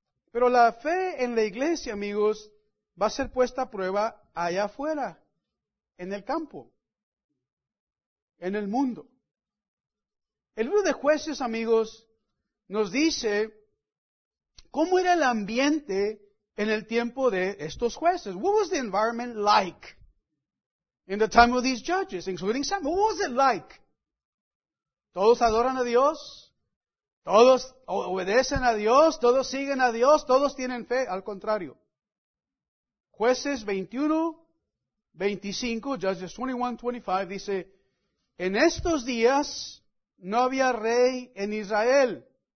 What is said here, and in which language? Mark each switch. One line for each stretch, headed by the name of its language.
Spanish: Pero la fe en la iglesia, amigos, va a ser puesta a prueba allá afuera, en el campo, en el mundo. El libro de Jueces, amigos, nos dice cómo era el ambiente en el tiempo de estos jueces.
English: What was the environment like in the time of these judges, including Samuel? What was it like?
Spanish: Todos adoran a Dios. Todos obedecen a Dios, todos siguen a Dios, todos tienen fe. Al contrario, Jueces 21, 25, Judges 21, 25, dice, en estos días no había rey en Israel.